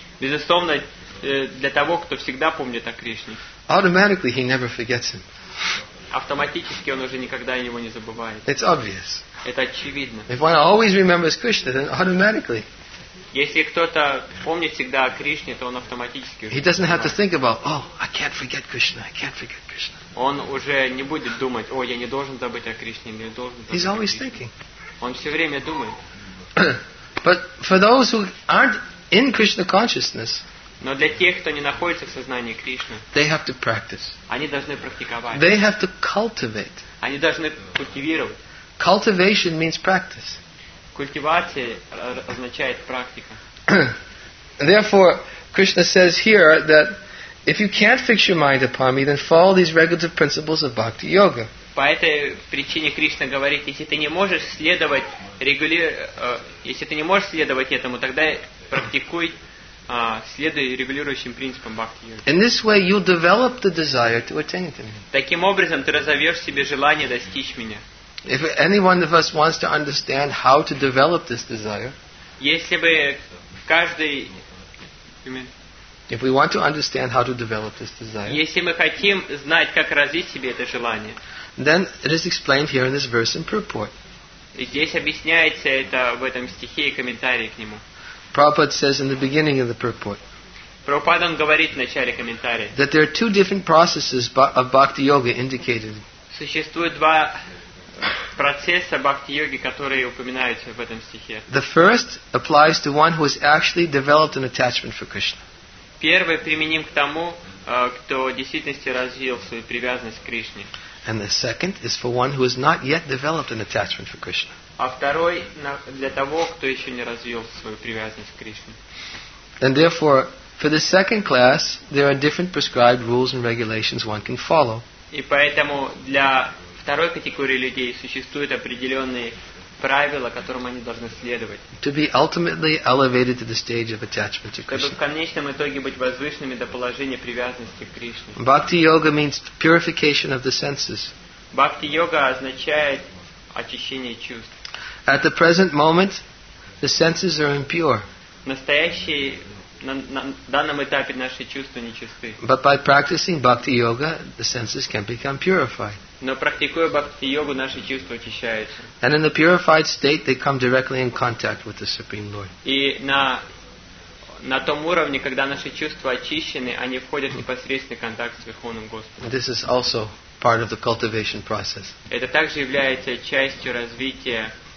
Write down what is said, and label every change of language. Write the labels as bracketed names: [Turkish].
[Russian] Безусловно, для того, кто всегда помнит о Кришне. [English] Automatically, he never forgets him. [Russian] Автоматически он уже никогда его не забывает. [English] It's obvious. [Russian] Это очевидно. [English] If one always remembers Krishna, then automatically. [Russian] Если кто-то помнит всегда о Кришне, то он автоматически. [English] He doesn't have to think about, oh, I can't forget Krishna, I can't forget Krishna. [Russian] Он уже не будет думать, о, я не должен забыть о Кришне, я должен. [English] He's always thinking. [Russian] Он все время думает. [English] But for those who aren't in Krishna consciousness. [Russian] Но для тех, кто не находится в сознании Кришны, [English] they have to practice. [Russian] Они должны практиковать. [English] They have to cultivate. [Russian] Они должны культивировать. [English] Cultivation means practice. [Russian] Культивация означает практика. [English] Therefore, Krishna says here that if you can't fix your mind upon me, then follow these regulative principles of bhakti yoga. [Russian] По этой причине Кришна говорит, если ты не можешь следовать этому, тогда практикуй. Следуя регулирующим принципам бхакти-йоги. [English] In this way, you develop the desire to attain to me. [Russian] Таким образом, ты разовьешь в себе желание достичь меня. [English] If any one of us wants to understand how to develop this desire, [Russian] если бы каждый, [English] if we want to understand how to develop this desire, [Russian] если мы хотим знать, как развить себе это желание, [English] then it is explained here in this verse in purport. [Russian] Здесь объясняется это в этом стихе и комментарии к нему. [English] Prabhupada says in the beginning of the purport. [Russian] Prabhupada он говорит в начале комментария. [English] That there are two different processes of bhakti yoga indicated. [Russian] Существует два процесса бхакти йоги, которые упоминаются в этом стихе. [English] The first applies to one who has actually developed an attachment for Krishna. [Russian] Первый применим к тому, кто в действительности развил свою привязанность к Кришне. [English] And the second is for one who has not yet developed an attachment for Krishna. [Russian] А второй для того, кто еще не развил свою привязанность к Кришне. [English] And therefore, for the second class, there are different prescribed rules and regulations one can follow. [Russian] И поэтому для второй категории людей существуют определенные правила, которым они должны следовать. [English] To be ultimately elevated to the stage of attachment to Krishna. [Russian] Чтобы в конечном итоге быть возвышенными до положения привязанности к Кришне. [English] Bhakti yoga means purification of the senses. [Russian] Бхакти йога означает очищение чувств. [English] At the present moment, the senses are impure. [Russian] Настоящие на данном этапе наши чувства нечисты. [English] But by practicing bhakti yoga, the senses can become purified. [Russian] Но практикуя бхакти йогу, наши чувства очищаются. [English] And in the purified state, they come directly in contact with the Supreme Lord. [Russian] И на том уровне, когда наши чувства очищены, они входят в непосредственный контакт с Верховным Господом. [English] This is also part of the cultivation process. [Russian] Это также является частью развития.